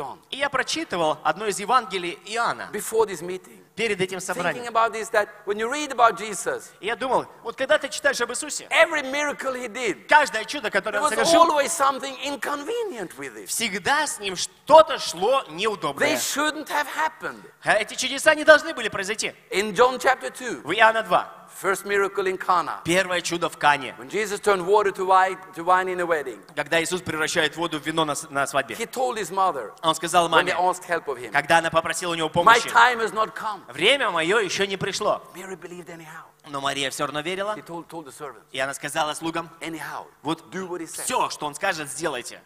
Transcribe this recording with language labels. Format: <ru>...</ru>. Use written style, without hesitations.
<ru>И я прочитывал одно из Евангелий Иоанна перед этим собранием. И я думал, вот когда ты читаешь об Иисусе, каждое чудо, которое Он совершил, всегда с Ним что-то шло неудобное. Эти чудеса не должны были произойти. В Иоанна 2.</ru> <en>First miracle in Cana.</en> <ru>Первое чудо в Кане.</ru> <en>When Jesus turned water to wine in a wedding.</en> <ru>Когда Иисус превращает воду в вино на свадьбе.</ru> <en>He told his mother.</en> <ru>Он сказал маме.</ru> <en>When they asked help of him.</en> <ru>Когда она попросила у него помощи.</ru> <en>My time has not come.</en> <ru>Время мое еще не пришло.</ru> <en>Mary believed anyhow.</en> <ru>Но Мария все равно верила.</ru> <en>He told the servants.</en> <ru>И она сказала слугам.</ru> <en>Anyhow. Вот do what he says.</en> <ru>Все, что он скажет, сделайте.</ru>